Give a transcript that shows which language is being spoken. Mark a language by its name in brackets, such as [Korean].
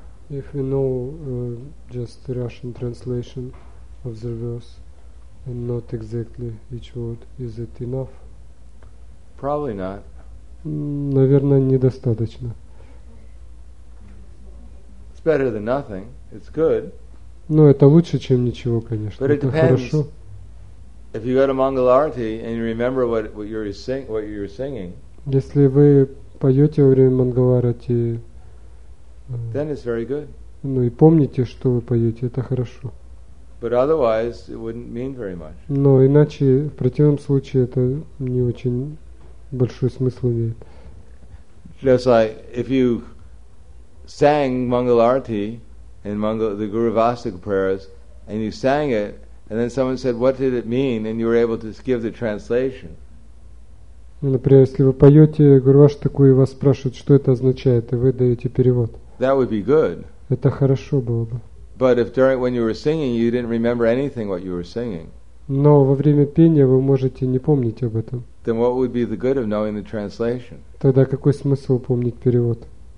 [English] If we know just the Russian translation of the verse and not exactly each word, is it enough? Probably not. [Russian] Наверное, недостаточно. [English] It's better than nothing. It's good. [Russian] Но это лучше, чем ничего, конечно. [English] But it depends. [Russian] Это хорошо. [English] If you go to Mangal Arati and you remember what you're singing. [Russian] Если вы поете во время Мангал Арати, [English] then it's very good. [Russian] Ну и помните, что вы поете, это хорошо. [English] But otherwise, it wouldn't mean very much. [Russian] Но иначе, в противном случае, это не очень большой смысл имеет. [English] Just like if you sang Mangal Arati and the Guru Vastika prayers, and you sang it, and then someone said, "What did it mean?" and you were able to give the translation. [Russian] Например, если вы поете Гуру Вастику и вас спрашивают, что это означает, и вы даете перевод. [English] That would be good. [Russian] Это хорошо было бы. [English] But if during when you were singing, you didn't remember anything what you were singing. [Russian] Но во время пения вы можете не помнить об этом. [English] Then what would be the good of knowing the translation? [Russian] Тогда какой смысл помнить перевод?